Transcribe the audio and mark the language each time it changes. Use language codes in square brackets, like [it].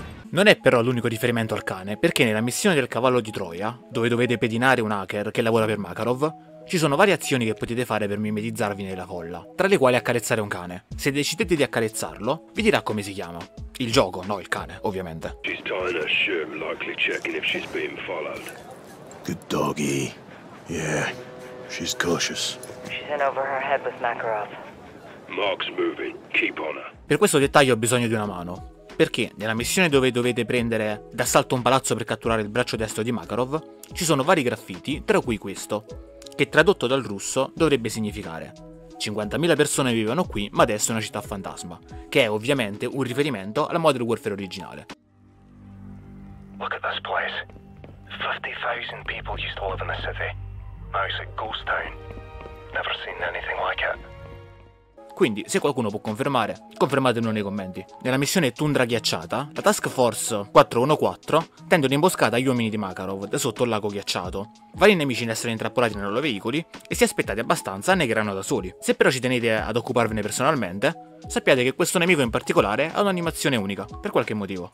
[it] Non è però l'unico riferimento al cane, perché nella missione del cavallo di Troia, dove dovete pedinare un hacker che lavora per Makarov, ci sono varie azioni che potete fare per mimetizzarvi nella folla, tra le quali accarezzare un cane. Se decidete di accarezzarlo, vi dirà come si chiama. Il gioco, no il cane, ovviamente. [en] She's tied a shirt, likely checking if she's being followed. Good doggy. Yeah, she's cautious. She's in over her head with Makarov. Mark's moving, keep on her. [it] Per questo dettaglio ho bisogno di una mano. Perché nella missione dove dovete prendere d'assalto un palazzo per catturare il braccio destro di Makarov, ci sono vari graffiti, tra cui questo, che tradotto dal russo dovrebbe significare 50.000 persone vivono qui, ma adesso è una città fantasma, che è ovviamente un riferimento alla Modern Warfare originale. [en] Look at this place. 50.000 people used to live in the city. Now it's a ghost town. Never seen anything like it. [it] Quindi, se qualcuno può confermare, confermatemelo nei commenti. Nella missione Tundra Ghiacciata, la Task Force 414 tende un'imboscata agli uomini di Makarov da sotto il lago ghiacciato. Vari nemici ne sono intrappolati nei loro veicoli e se aspettate abbastanza negheranno da soli. Se però ci tenete ad occuparvene personalmente, sappiate che questo nemico in particolare ha un'animazione unica, per qualche motivo.